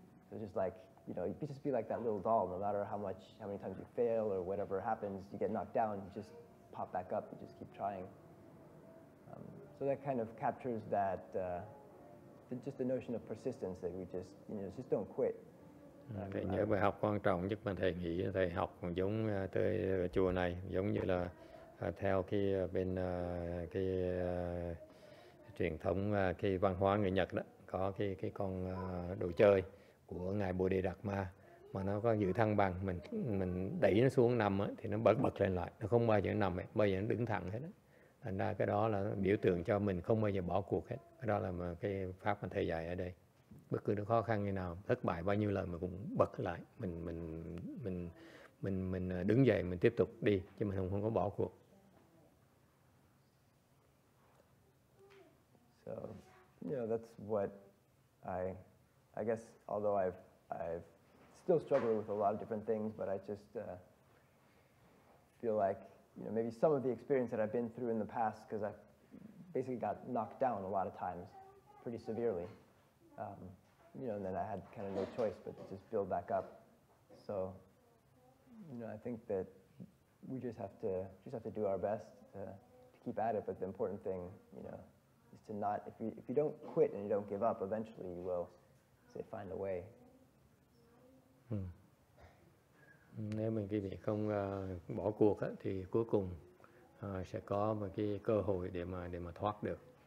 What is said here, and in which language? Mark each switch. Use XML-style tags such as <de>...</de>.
<en>So just like, you know, you just be like that little doll. No matter how many times you fail or whatever happens, you get knocked down, you just pop back up, you just keep trying. So that kind of captures that, just the notion of persistence that we just, you know, just don't quit.</en> <vi>Thầy nhớ bài học quan trọng nhất mà thầy nghĩ thầy học cũng giống tới chùa này, giống như là theo cái bên cái truyền thống cái văn hóa người Nhật đó, có cái con đồ chơi của ngài Bồ Đề Đạt Ma mà nó có giữ thăng bằng, mình đẩy nó xuống nằm đó, thì nó bật lên lại, nó không bao giờ nằm ấy, bao giờ nó đứng thẳng hết đó. Thành ra cái đó là biểu tượng cho mình không bao giờ bỏ cuộc hết. Cái đó là mà cái pháp mà thầy dạy ở đây. Bất cứ nó khó khăn như nào, thất bại bao nhiêu lần mà cũng bật lại, mình đứng dậy, mình tiếp tục đi chứ mình không có bỏ cuộc.</vi> <en>So, you know, that's what I guess, although I've still struggled with a lot of different things, but I just feel like, you know, maybe some of the experience that I've been through in the past, because I basically got knocked down a lot of times pretty severely. You know, and then I had kind of no choice but to just build back up. So, you know, I think that we just have to do our best to keep at it. But the important thing, you know, is to not, if you don't quit and you don't give up, eventually you will, say, find a way.</en> <vi>Nếu mình cái việc không bỏ cuộc á, thì cuối cùng sẽ có một cái cơ hội để mà thoát được.</vi>